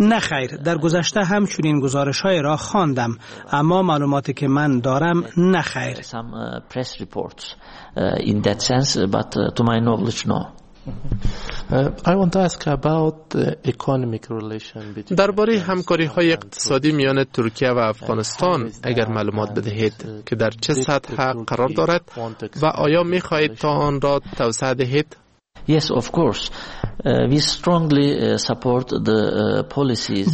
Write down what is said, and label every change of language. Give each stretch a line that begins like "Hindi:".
Persian: نه خیر، در گذشته هم چنین گزارش های را خواندم، اما معلوماتی که من دارم نه خیر.
English: Some press reports in that sense, but to my knowledge no. I want to ask about economic relation between
Persian: درباره همکاری های اقتصادی میان ترکیه و افغانستان اگر معلومات بدهید که در چه سطح قرار دارد و آیا می خواهید تا آن را توسعه دهید؟
English: Yes, of course. We strongly support the policies.